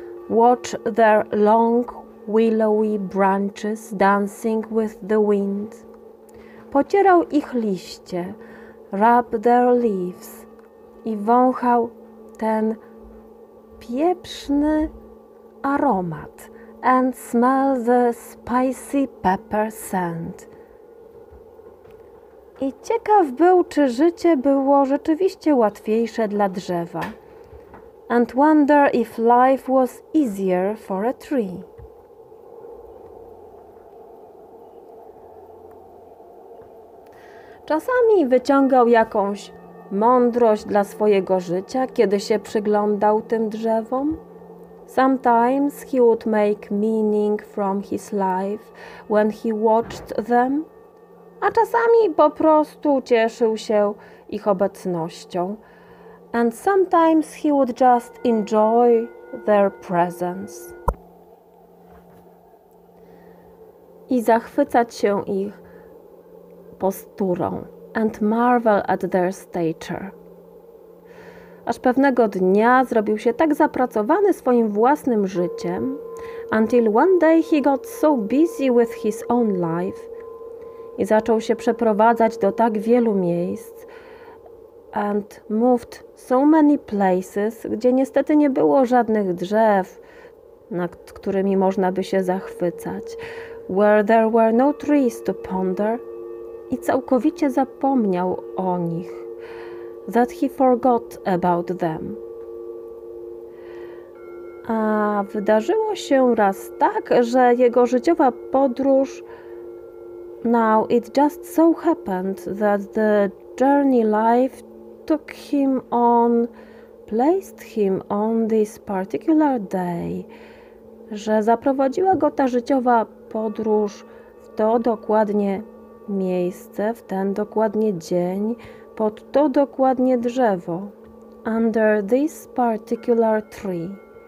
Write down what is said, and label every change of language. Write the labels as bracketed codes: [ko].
[en] Watch their long, willowy branches dancing with the wind. [pl] Pocierał ich liście, [en] rub their leaves [pl] i wąchał ten pieprzny aromat. [en] And smell the spicy pepper scent. [pl] I ciekaw był, czy życie było rzeczywiście łatwiejsze dla drzewa. [en] And wonder if life was easier for a tree. [pl] Czasami wyciągał jakąś mądrość dla swojego życia, kiedy się przyglądał tym drzewom. [en] Sometimes he would make meaning from his life when he watched them, [pl] a czasami po prostu cieszył się ich obecnością. [en] And sometimes he would just enjoy their presence. [pl] I zachwycać się ich posturą [en] and marvel at their stature. [pl] Aż pewnego dnia zrobił się tak zapracowany swoim własnym życiem, [en] until one day he got so busy with his own life [pl] i zaczął się przeprowadzać do tak wielu miejsc [en] and moved so many places, [pl] gdzie niestety nie było żadnych drzew, nad którymi można by się zachwycać, [en] where there were no trees to ponder [pl] i całkowicie zapomniał o nich. [en] That he forgot about them. [pl] A wydarzyło się raz tak, że jego życiowa podróż... [en] Now it just so happened that the journey life took him on, placed him on this particular day, [pl] że zaprowadziła go ta życiowa podróż w to dokładnie miejsce, w ten dokładnie dzień, pod to dokładnie drzewo, [en] under this particular tree.